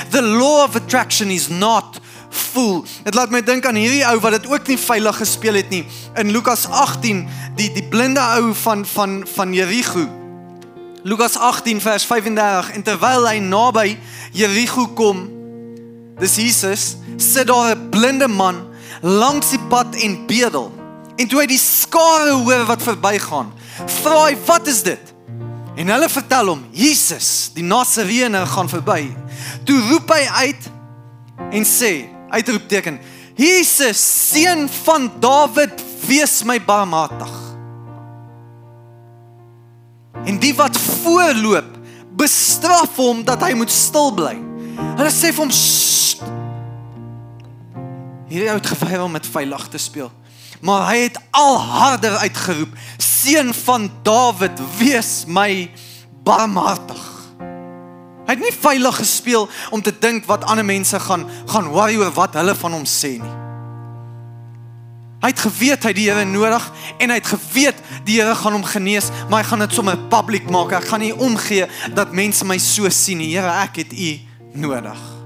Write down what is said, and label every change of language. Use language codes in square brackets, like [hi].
[en] The law of attraction is not voel. [af] Het laat my dink aan hierdie ou wat het ook nie veilig gespeel het nie. In Lukas 18, die blinde ou van Jericho. Lukas 18 vers 35, en terwyl hy naby Jericho kom, dis Jesus, sit daar 'n blinde man langs die pad en bedel. En toe hy die skare hoor wat verbygaan, vra hy, wat is dit? En hulle vertel hom, Jesus, die Nasareëner gaan verby. Toe roep hy uit en sê, uitroepteken, Jesus, seun van Dawid, wees my barmhartig. En die wat voorloop, bestraf hom dat hy moet stil bly. Hulle sê vir hom, sst. Hierdie ou het geweier om met veilig te speel. Maar hy het al harder uitgeroep, seun van Dawid, wees my barmhartig. Hy het nie veilig gespeel om te dink wat ander mense gaan worry oor wat hulle van hom sê nie. Hy het geweet hy die Here nodig en hy het geweet die Here gaan hom genees, maar hy gaan dit sommer public maak. Ek gaan nie omgee dat mense my so sien nie. Here, ek het U nodig.